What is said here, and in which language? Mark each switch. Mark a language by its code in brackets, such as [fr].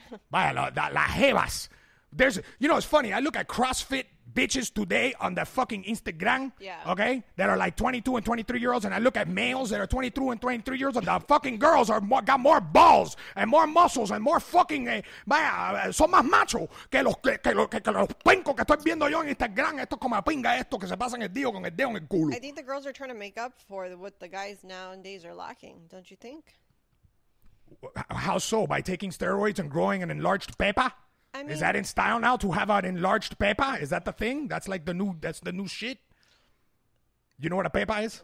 [es] Vaya, la jevas. [en] There's, you know, it's funny. I look at CrossFit bitches today on the fucking Instagram. Yeah. Okay? That are like 22 and 23 year olds. And I look at males that are 22 and 23 years old. The fucking girls got more balls and more muscles and more fucking... [es] son más machos que los pencos que estoy viendo yo en Instagram. Estos como pinga estos que se pasan el dedo con el dedo en el culo. [en] I think the girls are trying to make up for what the guys nowadays are lacking. Don't you think? How so? By taking steroids and growing an enlarged pepa? I mean, is that in style now to have an enlarged pepa? Is that the thing? That's like the new, that's the new shit? You know what a pepa is?